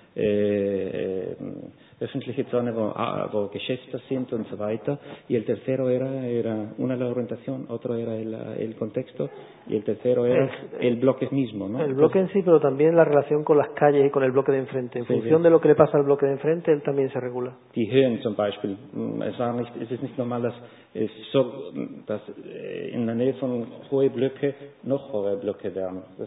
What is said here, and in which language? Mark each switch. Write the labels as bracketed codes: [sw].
[de] öffentliche Zone, wo Geschäfte sind und so weiter. [es] Y el tercero era una la orientación, otro era el contexto, y el tercero era el bloque mismo, ¿no? El bloque entonces, en sí, pero también la relación con las calles y con el bloque de enfrente. En función de lo que le pasa al bloque de enfrente, él también se regula. [de] Die Höhen zum Beispiel. Es ist nicht normal, dass in der Nähe von hohe Blöcke noch hohe Blöcke werden.